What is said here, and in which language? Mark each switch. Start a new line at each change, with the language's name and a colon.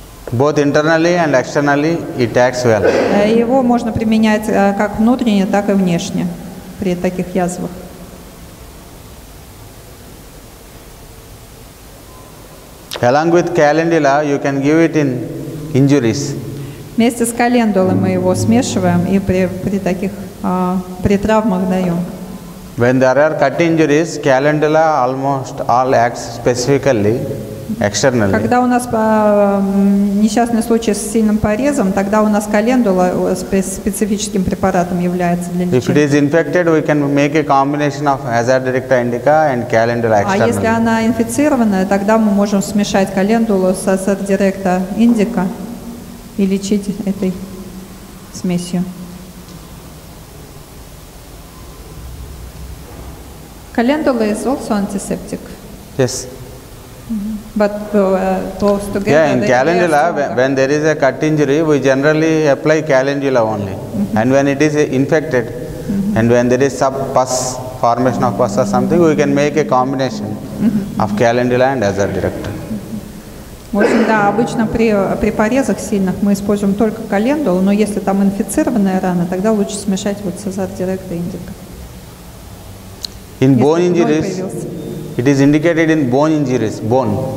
English: Both internally and externally, it acts well.
Russian: Его можно применять как внутренне, так и внешне при таких язвах.
English: Along with calendula, you can give it in injuries.
Russian: Вместе с календулой мы его смешиваем и при таких при травмах даем.
English: When there are cut injuries, calendula almost all acts specifically externally.
Russian: Когда у нас несчастный случай с сильным порезом, тогда у нас календула специфическим препаратом является для лечения.
English: If it is infected, we can make a combination of Azadirachta indica and calendula externally.
Russian: А если она инфицированная, тогда мы можем смешать календулу с Azadirachta indica и лечить этой смесью.
English: Календула is also antiseptic. Yes. But close together. Yeah, in calendula, when there is a cut injury, we generally apply calendula only. Mm-hmm. And when it is infected, mm-hmm. and when there is some pus, formation of pus or something, we can make a combination mm-hmm. of calendula and Azadirachta directa.
Russian: В общем, да, обычно при порезах сильных мы используем только календулу, но если там инфицированная рана, тогда лучше смешать вот с Азадирachta directa indica.
English: In bone injuries, it is indicated in bone injuries, bone.